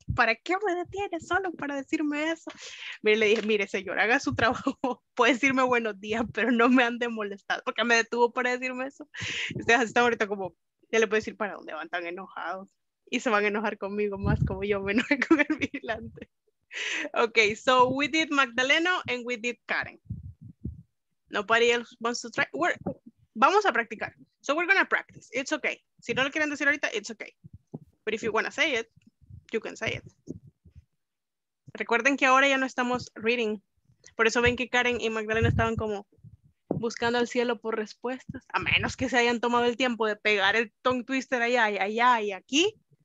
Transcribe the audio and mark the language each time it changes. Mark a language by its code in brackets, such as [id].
[es] ¿Para qué me detiene solo para decirme eso? Mire, le dije, mire, señor, haga su trabajo. Puede decirme buenos días, pero no me ande molestado porque me detuvo para decirme eso. Ustedes están ahorita como, ya le puedo decir, ¿para dónde van tan enojados? Y se van a enojar conmigo más como yo me enojé con el vigilante. [en] Ok, so we did Magdaleno and we did Karen. Nobody else wants to try. [es] Vamos a practicar. [en] So we're going to practice. It's okay. [es] Si no lo quieren decir ahorita, [en] it's okay. But if you want to say it, you can say it. [es] Recuerden que ahora ya no estamos reading. Por eso ven que Karen y Magdalena estaban como buscando al cielo por respuestas. A menos que se hayan tomado el tiempo de pegar el tongue twister allá y allá y aquí.